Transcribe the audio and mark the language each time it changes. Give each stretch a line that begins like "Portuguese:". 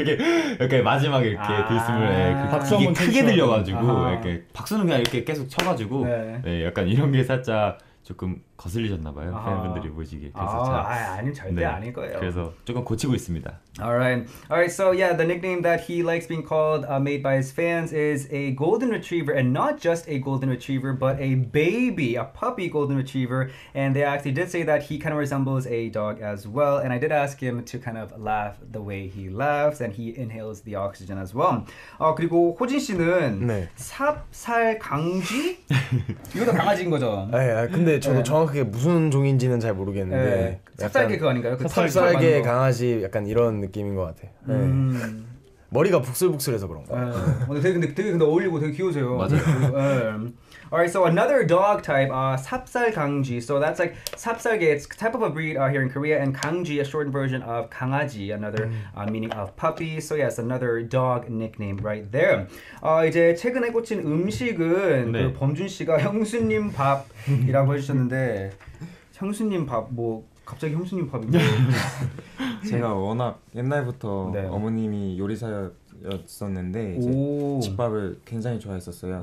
Korean: 이렇게 약간 마지막에 이렇게 들숨을 아~ 네, 박수 이게 크게 들려가지고 이렇게 박수는 그냥 이렇게 계속 쳐가지고 네. 네, 약간 이런 게 살짝 조금 거슬리셨나봐요. 아, 팬분들이 보시기에 그래서 아니 절대 네. 아닐 거예요. 그래서 조금 고치고 있습니다.
English: Alright, so yeah, the nickname that he likes being called made by his fans is a golden retriever, and not just a golden retriever, but a baby, a puppy golden retriever. And they actually did say that he kind of resembles a dog as well. And I did ask him to kind of laugh the way he laughs, and he inhales the oxygen as well.
Korean: 그리고 호진 씨는 네. 삽살 강쥐? 이것도 강아지인 거죠? 네, 근데 저도 정확하게 무슨 종인지는 잘 모르겠는데 네. 삽살개 그거 아닌가요? 그 삽살개 강아지 약간 이런 느낌인 것 같아. 머리가 북슬북슬해서 그런 거. 근데 되게 근데 어울리고 되게 귀여우세요. 맞아요.
English: Alright, so another dog type, 삽살강쥐. So that's like 삽살개. It's type of a breed here in Korea, and 강쥐, a shortened version of 강아지, another meaning of puppy. So yes, another dog nickname right there.
Korean: 이제 최근에 꽂힌 음식은 네. 그 범준 씨가 형수님 밥이라고 해주셨는데 형수님 밥 뭐. 갑자기 형수님 밥인가요? 제가 워낙 옛날부터 네. 어머님이 요리사였었는데 이제 집밥을 굉장히 좋아했었어요.